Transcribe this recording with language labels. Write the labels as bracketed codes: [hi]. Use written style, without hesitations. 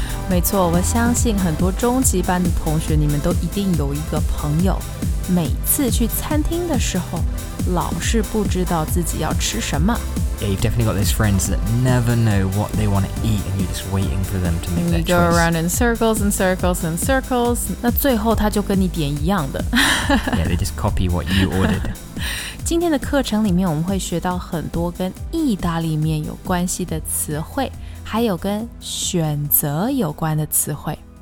[zh] 没错，我相信很多中级班的同学，你们都一定有一个朋友，每次去餐厅的时候，老是不知道自己要吃什么。 [en] Yeah, you've definitely got those friends that never know what they want to eat and you're just waiting for them to make their choice. You go around in circles and circles and circles. [zh] 那最后他就跟你点一样的。 [en] Yeah, they just copy what you ordered. [zh] 今天的课程里面我们会学到很多跟意大利面有关系的词汇，还有跟选择有关的词汇。